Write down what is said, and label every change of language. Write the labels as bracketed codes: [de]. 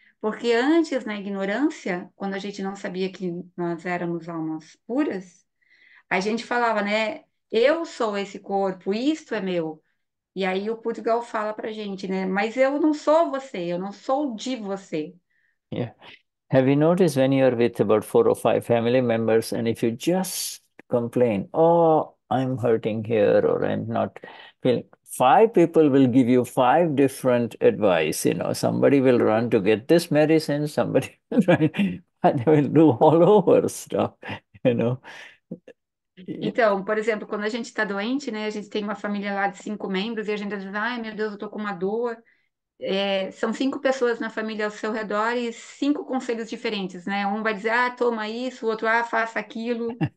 [pt] Porque antes, na ignorância, quando a gente não sabia que nós éramos almas puras, a gente falava, né? Eu sou esse corpo, isto é meu. E aí o Pudgal fala para a gente, né? Mas eu não sou você, eu não sou de você. [en] Yeah. Have you noticed when you're with about four or five family members, and if you just complain, oh, I'm hurting here, or I'm not feeling, five people will give you five different advice. Somebody will run to get this medicine, somebody will run, and they will do all over stuff, [pt] Então, por exemplo, quando a gente está doente, né, a gente tem uma família lá de 5 membros e a gente diz, ai, meu Deus, eu estou com uma dor. São 5 pessoas na família ao seu redor e 5 conselhos diferentes, né? Um vai dizer, ah, toma isso, o outro, ah, faça aquilo.